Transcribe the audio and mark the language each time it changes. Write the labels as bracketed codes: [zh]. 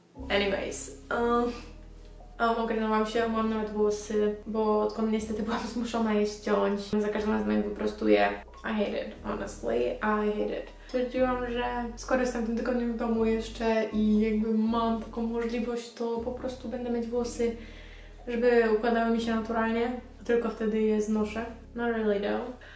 [pl] Anyways, ogarnęłam się, mam nawet włosy, bo odkąd niestety byłam zmuszona je ściąć, za każdym razem je wyprostuję. [en] I hate it, honestly, I hate it. [pl] Stwierdziłam, że skoro jestem w tym tygodniu w domu jeszcze i jakby mam taką możliwość, to po prostu będę mieć włosy, żeby układały mi się naturalnie, tylko wtedy je znoszę. [en] Not really though.